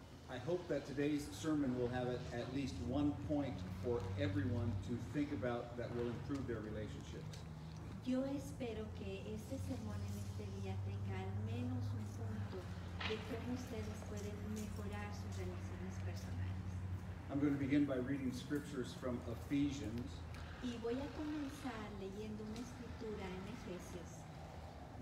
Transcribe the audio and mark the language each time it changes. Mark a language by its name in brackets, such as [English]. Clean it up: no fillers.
[English] I hope that today's sermon will have at least one point for everyone to think about that will improve their relationships. [Spanish] Yo espero que este sermón en este día tenga al menos un punto de cómo ustedes pueden mejorar sus relaciones personales. [English] I'm going to begin by reading scriptures from Ephesians. [Spanish] Y voy a comenzar leyendo una escritura en Efesios.